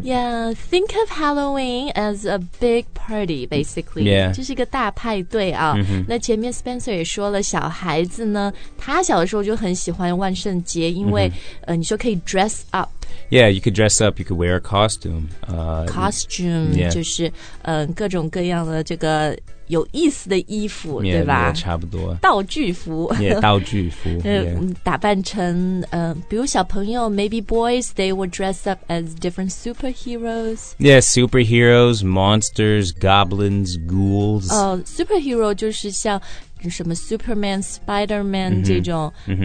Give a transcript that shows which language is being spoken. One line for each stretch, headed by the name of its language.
English: Yeah, think of Halloween as a big party, basically. Yeah.
Chinese: 就是一个大派对啊。那前面 Spencer 也说了小孩子呢他小的时候就很喜欢万圣节因为你说可以
English: dress up. Yeah, you could dress up, you could wear a costume. Costume, yeah.
Chinese: 就是、各种各样的这个有意思的衣服
English: yeah,
Chinese: 对吧 yeah, 差不多。道具服。 Yeah, 道具服。打扮成、比如小朋友
English: maybe boys, they would dress up as different superheroes. Yeah, superheroes, monsters, goblins, ghouls.
Chinese: Superhero 就是像什么 Superman, Spider-Man、mm-hmm. 这种、mm-hmm.